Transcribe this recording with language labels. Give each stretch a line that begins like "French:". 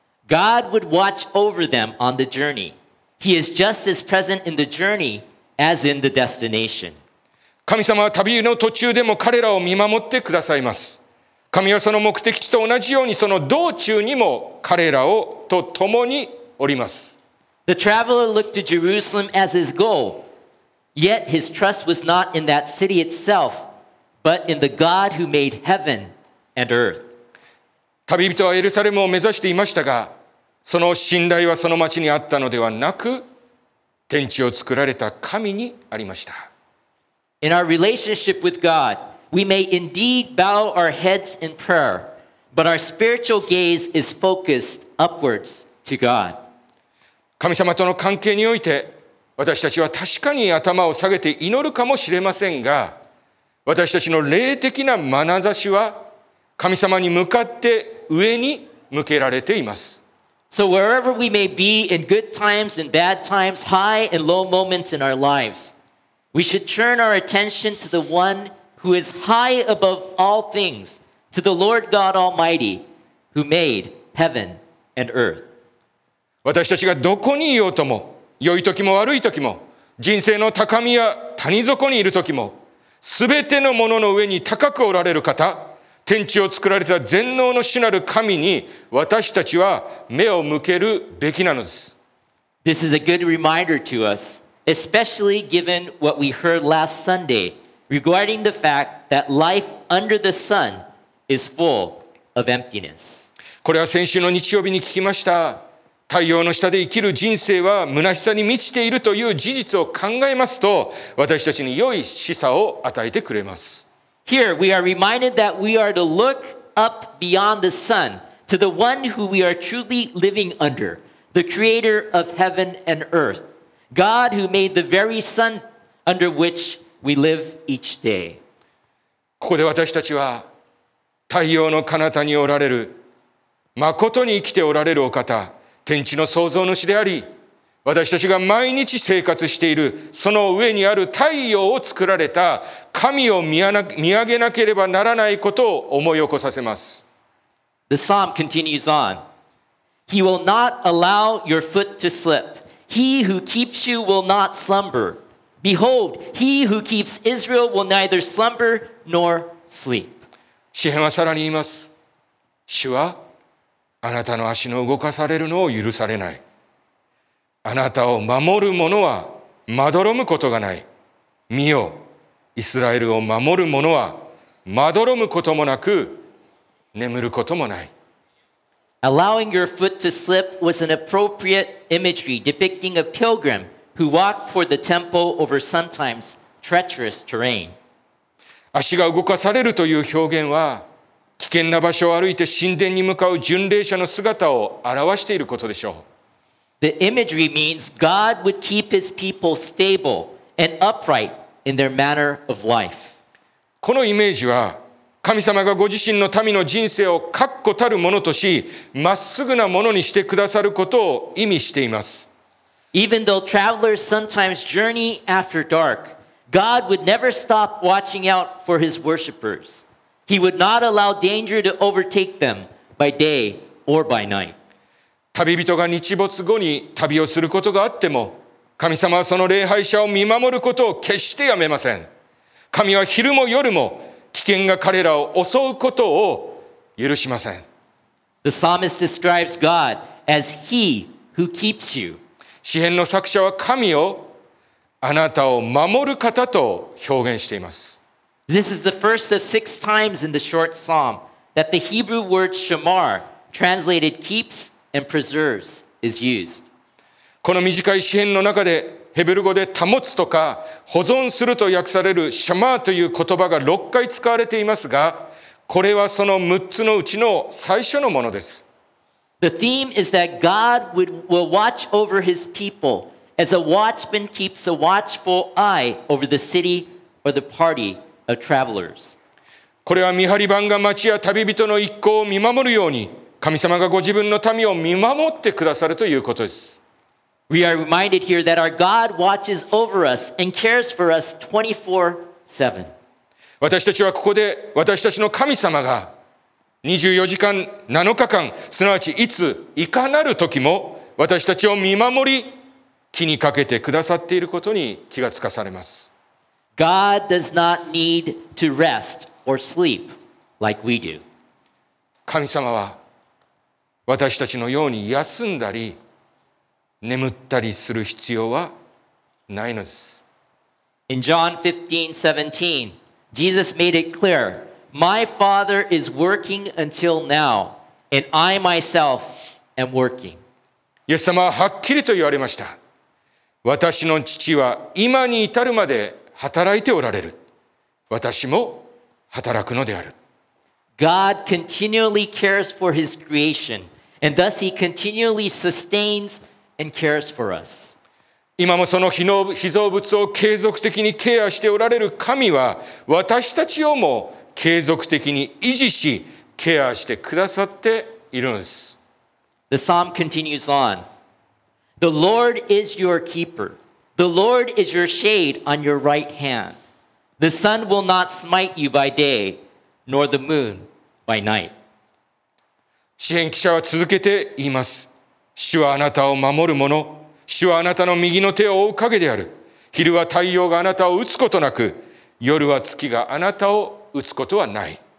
English: God would watch over them on the journey. He is just as present in the journey as in the destination.
Japanese: 神様は旅の途中でも彼らを見守ってくださいます。神はその目的地と同じようにその道中にも彼らをと共におります。
English: The traveler looked to Jerusalem as his goal, yet his trust was not in that city itself, but in the God who made heaven and earth.
Japanese: 旅人はエルサレムを目指していましたが、その信頼はその町にあったのではなく、天地を作られた神にありました。
English: In our relationship with God, we may indeed bow our heads in prayer, but our spiritual gaze is focused upwards to God.
Japanese: 神様との関係において、私たちは確かに頭を下げて祈るかもしれませんが、私たちの霊的な眼差しは神様に向かって上に向けられています。
English: So wherever we may be in good times and bad times, high and low moments in our lives, we should turn our attention to the one who is high above all things, to the Lord God Almighty, who made heaven and earth.
Japanese: 私たちがどこにいようとも、良い時も悪い時も、人生の高みや谷底にいる時も、すべてのものの上に高くおられる方、天地を作られた全能の主なる神に私たちは目を向けるべきなのです。
English: This is a good reminder to us, especially given what we heard last Sunday regarding the fact that life under the sun is full of emptiness.
Japanese: これは先週の日曜日に聞きました。太陽の下で生きる人生は虚しさに満ちているという事実を考えますと、私たちに良い示唆を与えてくれます。
English: Here we are reminded that we are to look up beyond the sun to the one who we are truly living under, the creator of heaven and earth, God who made the very sun under which we live each day.
Japanese: ここで私たちは太陽の彼方におられる、誠に生きておられるお方、天地の創造主であり、私たちが毎日生活しているその上にある太陽を作られた神を見上げなければならないことを思い起こさせます。
English: The psalm continues on. He will not allow your foot to slip. He who keeps you will not slumber. Behold, he who keeps Israel will neither slumber nor sleep.
Japanese: 詩編はさらに言います。主はあなたの足の動かされるのを許されない。あなたを守る者はまどろむことがない。見よ、イスラエルを守る者はまどろむこともなく眠ることもない。
English: Allowing your foot to slip was an appropriate imagery depicting a pilgrim who walked toward the temple over sometimes treacherous terrain.
Japanese: 足が動かされるという表現は、危険な場所を歩いて神殿に向かう巡礼者の姿を表していることでしょう。
English: The imagery means God would keep his people stable and upright in their manner of life.
Japanese: このイメージは、神様がご自身の民の人生を確固たるものとし、まっすぐなものにしてくださることを意味しています。
English: Even though travelers sometimes journey after dark, God would never stop watching out for his worshipers. He would not allow danger to overtake them by day or by night.
Japanese: 旅人が日没後に旅をすることがあっても、神様はその礼拝者を見守ることを決してやめません。神は昼も夜も危険が彼らを襲うことを許しません。
English: The psalmist describes God as He who keeps you.
Japanese: 詩編の作者は神をあなたを守る方と表現しています。
English: This is the first of six times in the short psalm that the Hebrew word shamar, translated keeps,And preserves is used.
Japanese: この短い詩編の中でヘブル語で保つとか保存すると訳されるシャマーという言葉が6回使われていますが、これはその6つのうちの最初のものです。
English: The theme is that God will watch over his people as a watchman keeps a watchful eye over the city or the party of travelers.
Japanese: これは見張り番が町や旅人の一行を見守るように、神様がご自分の民を見守ってくださるということです。
English: We are reminded here that our God watches over us and cares for us 24/7.
Japanese: 私たちはここで私たちの神様が24時間7日間、すなわちいついかなる時も私たちを見守り、気にかけてくださっていることに気がつかされます。
English: God does not need to rest or sleep like we do.
Japanese: 神様は私たちのように休んだり眠ったりする必要はないのです。
English: In John 15:17, Jesus made it clear, My Father is working until now, and I myself am working.
Japanese: イエス様ははっきりと言われました。私の父は今に至るまで働いておられる。私も働くのである。
English: God continually cares for his creation, and thus he continually sustains and cares for us.
Japanese: 今もその被造物を継続的にケアしておられる神は、私たちをも継続的に維持し、ケアしてくださっているんです。
English: The psalm continues on. The Lord is your keeper. The Lord is your shade on your right hand. The sun will not smite you by day, nor the moon by night.
Japanese: 詩編記者は続けて言います。主はあなたを守る者。主はあなたの右の手を覆う影である。昼は太陽があなたを打つことなく、夜は月があなたを打つことはない。